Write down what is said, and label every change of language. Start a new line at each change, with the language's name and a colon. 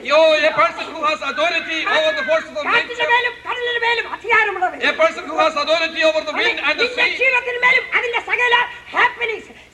English: Yo, a person who has authority over the forces of nature.
Malayalam: കാറ്റിന്റെ മേലും കടലിന്റെ മേലും അധികാരമുള്ളവൻ.
English: A person who has authority over the wind and the sea.
Malayalam: ജീവിതത്തിന്റെ മേലും അതിന്റെ സകല happenings.